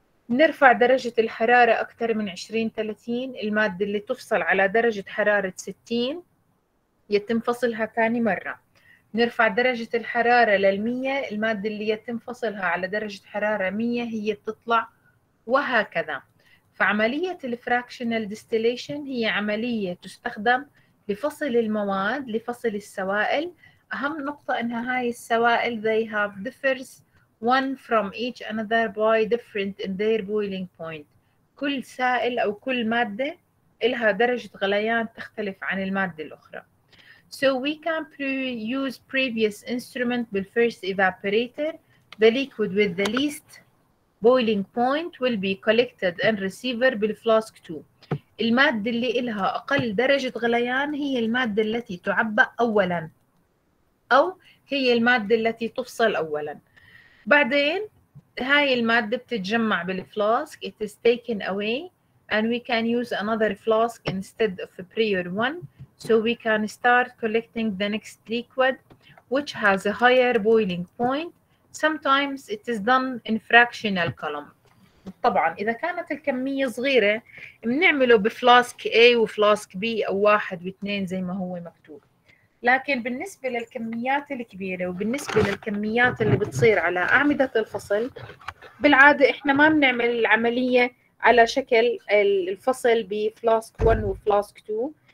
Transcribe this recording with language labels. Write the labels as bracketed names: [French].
[Arabic] نرفع درجة الحرارة أكثر من 20-30، المادة اللي تفصل على درجة حرارة 60 يتم فصلها ثاني مرة. نرفع درجة الحرارة للمية، المادة اللي يتم فصلها على درجة حرارة 100 هي بتطلع، وهكذا. فعملية الفراكشنال ديستيليشن هي عملية تستخدم لفصل المواد، لفصل السوائل أهم نقطة إنها هاي السوائل [English] they have differs one from each another by different in their boiling point. [Arabic] كل سائل أو كل مادة إلها درجة غليان تختلف عن المادة الأخرى. [English] So we can use previous instrument with first evaporator. The liquid with the least boiling point will be collected and receiver [Arabic] بالفلاسك 2. المادة اللي إلها أقل درجة غليان هي المادة التي تعبأ أولاً أو هي المادة التي تفصل أولاً. بعدين هاي المادة بتتجمع بالفلاسك. [English] It is taken away and we can use another flask instead of a prior one. So we can start collecting the next liquid which has a higher boiling point. Sometimes it is done in fractional column. [Arabic] طبعاً إذا كانت الكمية صغيرة بنعمله بفلاسك A وفلاسك B أو واحد واثنين زي ما هو مكتوب. لكن بالنسبة للكميات الكبيرة وبالنسبة للكميات اللي بتصير على أعمدة الفصل بالعادة إحنا ما بنعمل العملية على شكل الفصل بفلاسك 1 وفلاسك 2.